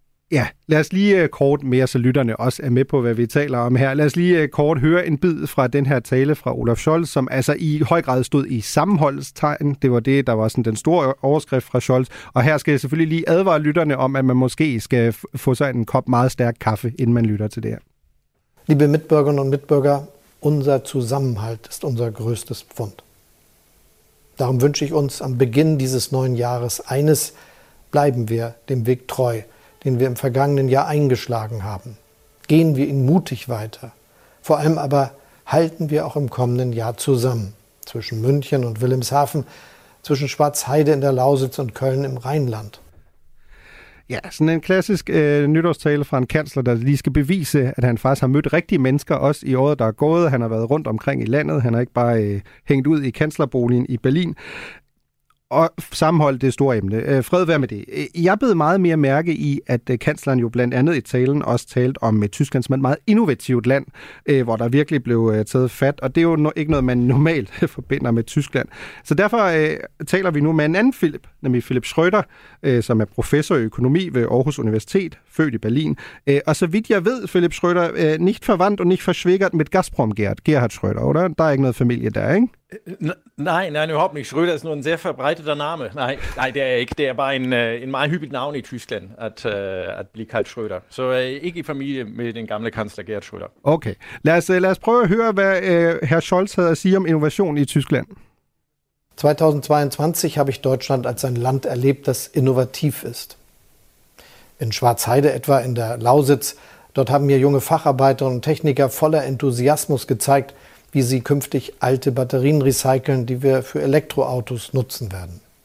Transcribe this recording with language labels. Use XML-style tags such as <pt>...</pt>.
<da>Ja, lad os lige kort mere, så lytterne også er med på, hvad vi taler om her. Lad os lige kort høre en bid fra den her tale fra Olaf Scholz, som altså i høj grad stod i sammenholdstegn. Det var det, der var sådan den store overskrift fra Scholz. Og her skal jeg selvfølgelig lige advare lytterne om, at man måske skal få sig en kop meget stærk kaffe, inden man lytter til det her.</da> <de>Liebe Mitbürgerinnen und Mitbürger, unser Zusammenhalt ist unser größtes Pfund. Darum wünsche ich uns am Beginn dieses neuen Jahres eines, bleiben wir dem Weg treu, den wir im vergangenen Jahr eingeschlagen haben. Gehen wir ihn mutig weiter. Vor allem aber halten wir auch im kommenden Jahr zusammen. Zwischen München und Wilhelmshaven, zwischen Schwarzheide in der Lausitz und Köln im Rheinland.</de> <da>Ja, sådan en klassisk nytårstale fra en kansler, der lige skal bevise, at han faktisk har mødt rigtige mennesker, også i året, der er gået. Han har været rundt omkring i landet. Han har ikke bare hængt ud i kanslerboligen i Berlin. og sammenholde det store emne. Fred vær med det. Jeg blev meget mere mærke i, at kansleren jo blandt andet i talen også talte om et Tyskland som et meget innovativt land, hvor der virkelig blev taget fat, og det er jo ikke noget, man normalt forbinder med Tyskland. Så derfor taler vi nu med en anden Philip, nemlig Philip Schröder, som er professor i økonomi ved Aarhus Universitet, født i Berlin. Og så vidt jeg ved,</da> <de>Philip Schröder, nicht verwandt und nicht verschwägert mit Gerhard Schröder, oder?</de> <da>Der er ikke noget familie der, ikke?</da> <de>Nein, überhaupt nicht. Schröder ist nur ein sehr verbreiteter Name. Nein, der ist</de> <da>ikke. Der er bare en meget hyppig navn i Tyskland, at blive kaldt Schröder. Så ikke i familie med den gamle kansler Gerhard Schröder. Okay. Lad os prøve at høre, hvad Herr Scholz havde at sige om innovation i Tyskland.</da> <de>2022 habe ich Deutschland als ein Land erlebt, das innovativ ist. In Schwarzheide etwa, in der Lausitz, dort haben mir junge Facharbeiter und Techniker voller Enthusiasmus gezeigt, wie sie künftig alte Batterien recyceln, die wir für Elektroautos nutzen werden.</de>